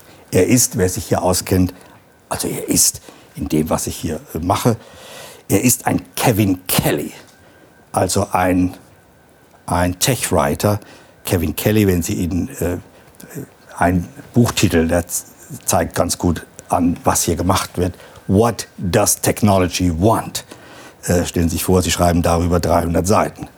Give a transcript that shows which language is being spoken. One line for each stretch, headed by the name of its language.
German: Er ist, wer sich hier auskennt, also er ist in dem, was ich hier mache, er ist ein Kevin Kelly, also ein Tech-Writer. Kevin Kelly, wenn Sie ihn, ein Buchtitel, der zeigt ganz gut an, was hier gemacht wird.
English: What does technology want?
German: Stellen Sie sich vor, Sie schreiben darüber 300 Seiten.